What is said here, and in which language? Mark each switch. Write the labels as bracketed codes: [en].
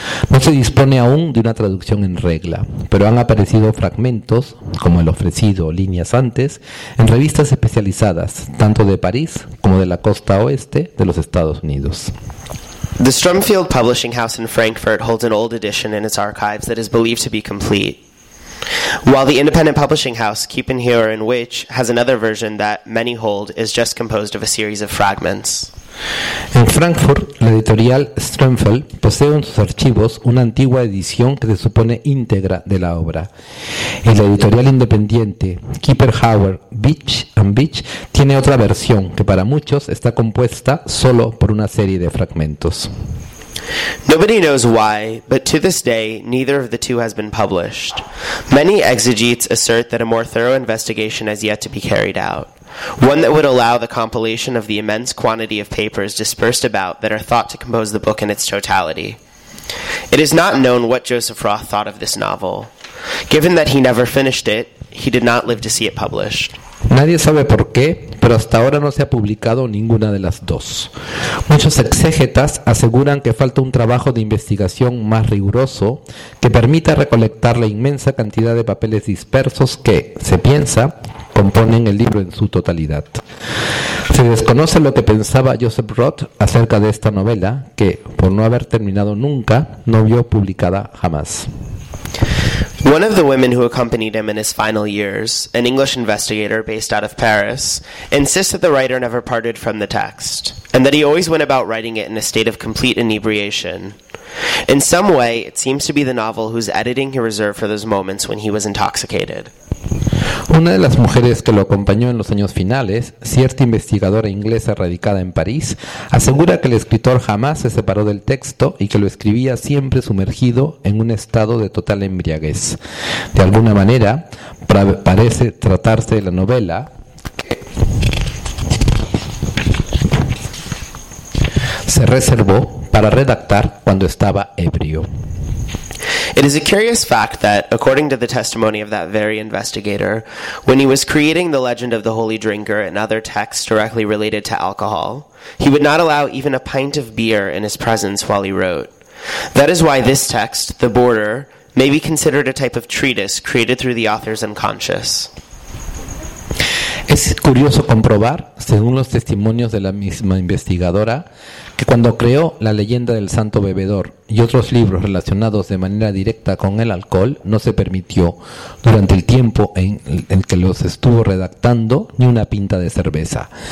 [es] No se dispone aún de una traducción en regla, pero han aparecido fragmentos, como el ofrecido líneas antes, en revistas especializadas, tanto de París como de la costa oeste de los Estados Unidos. [en] The Strumfield Publishing House in Frankfurt holds an old edition in its archives that is believed to be complete, while the independent publishing house, Kiepenheuer & Witch, has another version that many hold is just composed of a series of fragments. [es] En Frankfurt, la editorial Strumfield posee en sus archivos una antigua edición que se supone íntegra de la obra. Y la editorial independiente Kiepenheuer & Witch tiene otra versión que para muchos está compuesta solo por una serie de fragmentos. [en] Nobody knows why, but to this day, neither of the two has been published. Many exegetes assert that a more thorough investigation has yet to be carried out, one that would allow the compilation of the immense quantity of papers dispersed about that are thought to compose the book in its totality. It is not known what Joseph Roth thought of this novel. Given that he never finished it, he did not live to see it published. [es] Nadie sabe por qué, pero hasta ahora no se ha publicado ninguna de las dos. Muchos exégetas aseguran que falta un trabajo de investigación más riguroso que permita recolectar la inmensa cantidad de papeles dispersos que, se piensa, componen el libro en su totalidad. Se desconoce lo que pensaba Joseph Roth acerca de esta novela, que, por no haber terminado nunca, no vio publicada jamás. [en] One of the women who accompanied him in his final years, an English investigator based out of Paris, insists that the writer never parted from the text, and that he always went about writing it in a state of complete inebriation. In some way, it seems to be the novel whose editing he reserved for those moments when he was intoxicated. [es] Una de las mujeres que lo acompañó en los años finales, cierta investigadora inglesa radicada en París, asegura que el escritor jamás se separó del texto y que lo escribía siempre sumergido en un estado de total embriaguez. De alguna manera, parece tratarse de la novela que se reservó para redactar cuando estaba ebrio. [en] It is a curious fact that, according to the testimony of that very investigator, when he was creating the legend of the Holy Drinker and other texts directly related to alcohol, he would not allow even a pint of beer in his presence while he wrote. That is why this text, The Border, may be considered a type of treatise created through the author's unconscious. [es] Es curioso comprobar, según los testimonios de la misma investigadora, que cuando creó La leyenda del santo bebedor y otros libros relacionados de manera directa con el alcohol, no se permitió, durante el tiempo en el que los estuvo redactando, ni una pinta de cerveza.